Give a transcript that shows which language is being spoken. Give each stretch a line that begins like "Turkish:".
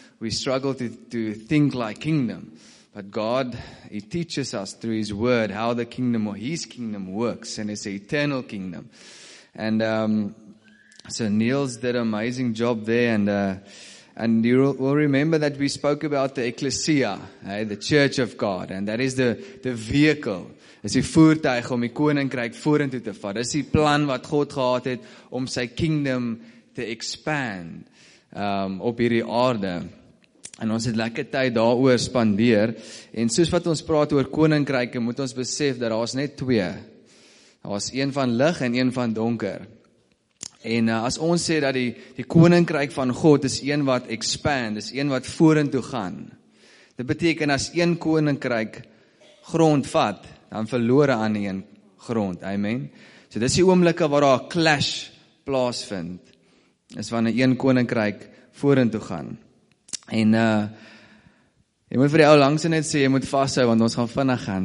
English: We struggle to think like kingdom, but God, He teaches us through His Word how the kingdom or His kingdom works, and it's an eternal kingdom. And so Niels did an amazing job there, and you will remember that we spoke about the ecclesia, the church of God, and that is the vehicle.
Afrikaans: Is die voertuig om die koninkryk vorentoe te vat. Is die plan wat God gehad het om sy kingdom te expand op hierdie aarde. En ons het lekker tyd daaroor spandeer. En soos wat ons praat oor koninkryke, moet ons besef dat daar is net twee. Daar is een van lig en een van donker. En as ons sê dat die koninkryk van God is een wat expand, is een wat vorentoe gaan. Dit beteken as een koninkryk grond vat, dan verloor hy aan een grond. Amen. So dis die oomblikke waar daar 'n clash plaasvind. Is wanneer een koninkryk vorentoe gaan. En jy moet vir die ou langs net sê, jy moet vashou, want ons gaan vinnig gaan.